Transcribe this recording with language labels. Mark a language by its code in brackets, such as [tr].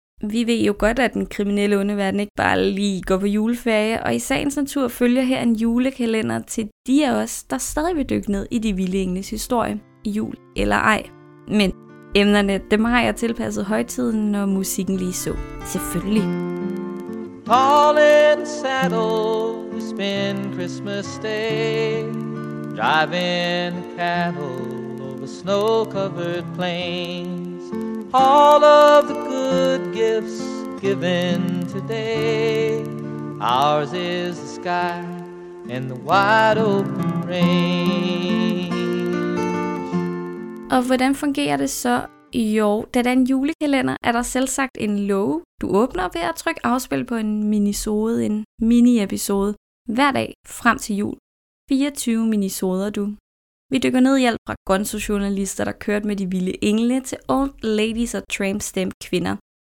[da] Vi ved jo godt, at den kriminelle underverden ikke bare lige går på juleferie, og i sagens natur følger her en julekalender til de af os, der stadig vil dykke ned i De Vilde Engles historie, jul eller ej. Men emnerne, dem har jeg tilpasset højtiden, når musikken lige så. Selvfølgelig. [en] Fall in saddle, spend Christmas day, driving cattle over snow-covered plains. All of the good gifts given today, ours is the sky and the wide open range. [da] Og hvordan fungerer det så? Jo, da der er en julekalender, er der selvsagt en låge, du åbner ved at trykke afspil på en minisode, en mini-episode, hver dag frem til jul. 24 minisoder, du. Vi dykker ned i alt fra gonzo-journalister, der kørte med De Vilde Engle, til old ladies og tramp-stamp kvinder.